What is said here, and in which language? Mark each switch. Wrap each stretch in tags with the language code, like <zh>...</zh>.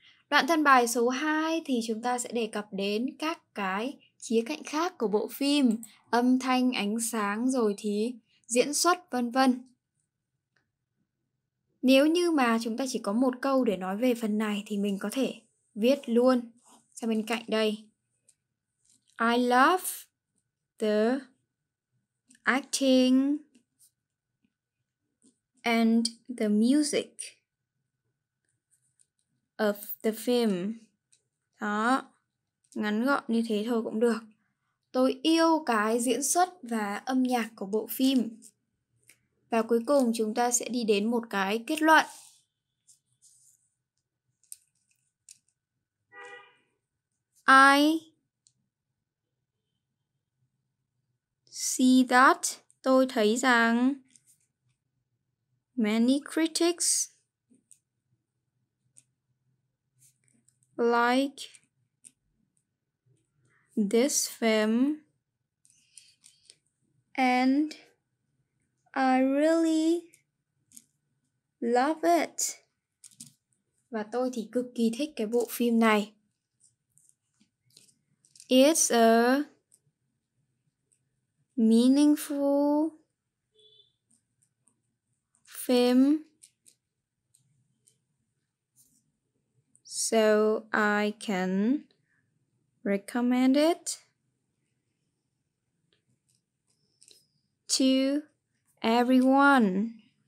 <vi>Đoạn thân bài số 2 thì chúng ta sẽ đề cập đến các cái khía cạnh khác của bộ phim, âm thanh, ánh sáng, rồi thì diễn xuất, vân vân. Nếu như mà chúng ta chỉ có một câu để nói về phần này thì mình có thể viết luôn sang bên cạnh đây.</vi> <en>I love the acting and the music of the film.</en> <vi>Đó, ngắn gọn như thế thôi cũng được. Tôi yêu cái diễn xuất và âm nhạc của bộ phim. Và cuối cùng chúng ta sẽ đi đến một cái kết luận.</vi> <en>I see that,</en> <vi>tôi thấy rằng</vi> <en>many critics like this film and I really love it.</en> <vi>Và tôi thì cực kỳ thích cái bộ phim này.</vi> <en>It's a meaningful film, so I can recommend it to everyone.</en>